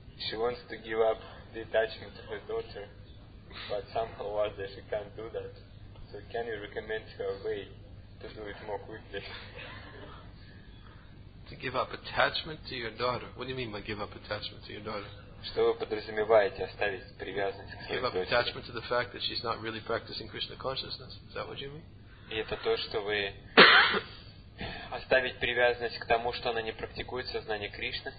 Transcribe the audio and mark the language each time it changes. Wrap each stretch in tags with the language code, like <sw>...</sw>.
<en>She wants to give up the attachment to her daughter. But somehow or other she can't do that. So can you recommend her a way to do it more quickly? To give up attachment to your daughter. What do you mean by give up attachment to your daughter?</en> <ru>Что вы подразумеваете оставить привязанность к своей</ru> <en>дочери? Give up attachment to the fact that she's not really practicing Krishna consciousness. Is that what you mean?</en> <ru>И это то, что вы оставить привязанность к тому, что она не практикует сознание Кришны.</ru>